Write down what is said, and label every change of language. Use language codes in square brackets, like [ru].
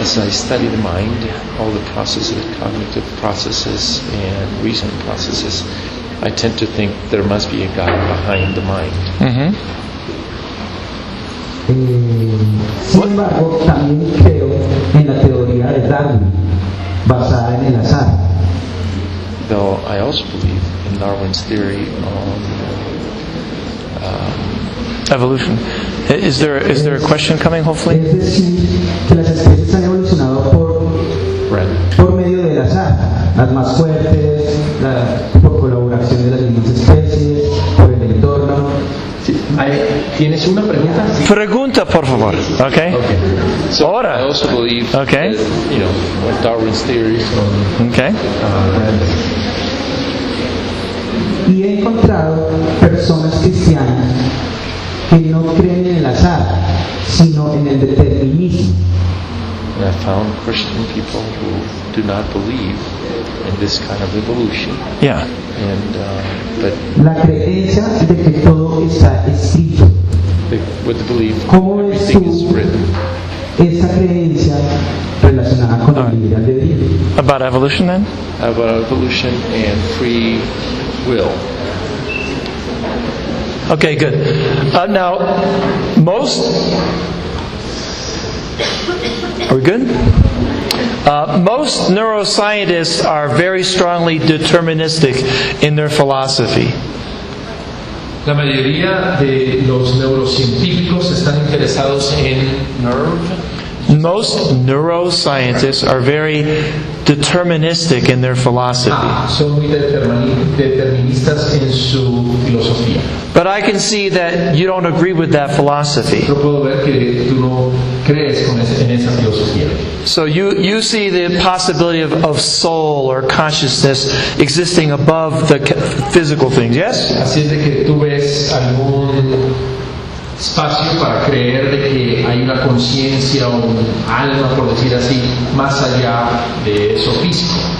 [en] study the mind, all the processes, cognitive processes and reasoning processes, I tend to think there must be a God behind the mind. [es] Sin embargo, también creo en la teoría de Darwin, basada en el azar. [en] Though I also believe in Darwin's theory on evolution. Is there a question coming, hopefully? [es] Es decir, que las especies han evolucionado por medio del azar. Las más fuertes, por colaboración de las mismas especies, por el entorno. ¿Tienes una pregunta? Sí. Pregunta, por favor. Okay. So ahora. [en] I also believe that, you know, what Darwin's theory is on. Okay. [es] Y he encontrado personas cristianas que no creen en el azar, sino en el determinismo. [en] I found Christian people who do not believe in this kind of evolution. Yeah. But [es] la creencia de que todo está escrito. [en] With the belief that everything is written. [es] Esta creencia relacionada con la libertad de Dios. [en] About evolution, then? About evolution and free will. Okay, good. Now, most... Are we good? Most neuroscientists are very strongly deterministic in their philosophy. [es] La mayoría de los neurocientíficos están interesados en nerve. [en] Most neuroscientists are very deterministic in their philosophy. [es] Son muy deterministas en su filosofía. [en] But I can see that you don't agree with that philosophy. [es] Pero puedo ver que tú no crees en esa filosofía. [en] So you see the possibility of soul or consciousness existing above the physical things, yes? [es] Así es de que tú ves algún espacio para creer de que hay una conciencia o un alma, por decir así, más allá de eso físico.